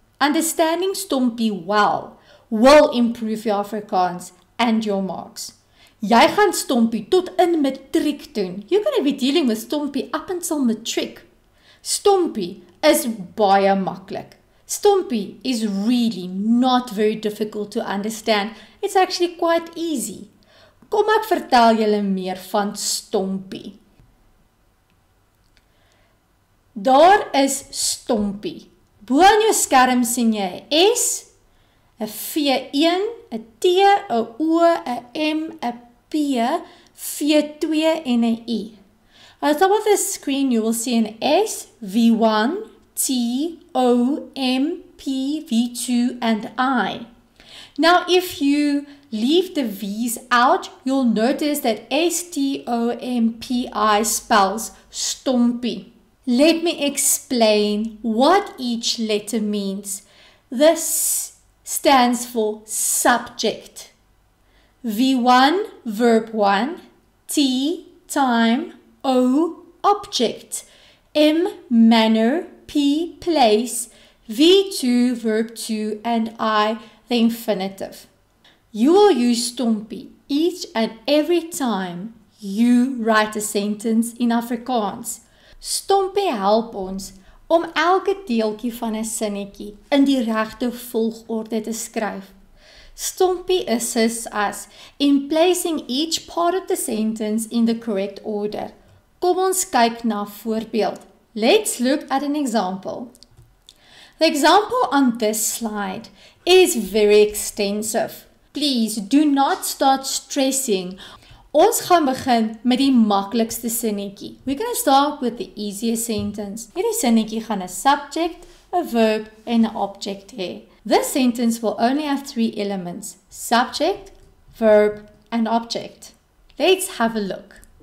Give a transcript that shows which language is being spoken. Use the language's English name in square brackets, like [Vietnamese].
[English] Understanding Stompie well will improve your Afrikaans and your marks. [Afrikaans] Jy gaan Stompie tot in matriek doen. [English] You're going to be dealing with Stompie up until matriek. [Afrikaans] Stompie is baie maklik. [English] Stompie is really not very difficult to understand. It's actually quite easy. [Afrikaans] Kom, ek vertel julle meer van Stompie. Daar is Stompie. Bo aan jou skerm sien jy 'n S, 'n V1, 'n T, 'n O, 'n M, 'n P, V2 en 'n I. [English] On top of the screen you will see an S, V1, T, O, M, P, V2 and I. Now if you leave the V's out, you'll notice that S, T, O, M, P, I spells Stompie. Let me explain what each letter means. This stands for subject. V1, verb 1. T, time. O, object. M, manner. P, place. V2, verb 2. And I, the infinitive. You will use Stompie each and every time you write a sentence in Afrikaans. [Afrikaans] Stompie help ons om elke deeltjie van 'n sinnetjie in die regte volgorde te skryf. [English] Stompie assists us in placing each part of the sentence in the correct order. [Afrikaans] Kom ons kyk na 'n voorbeeld. [English] Let's look at an example. The example on this slide is very extensive. Please do not start stressing. [Afrikaans] Ons gaan begin met die maklikste sinnetjie. [English] We're going to start with the easiest sentence. [Afrikaans] Hierdie sinnetjie gaan 'n subject, 'n verb en 'n object hê. [English] This sentence will only have 3 elements: subject, verb and object. Let's have a look.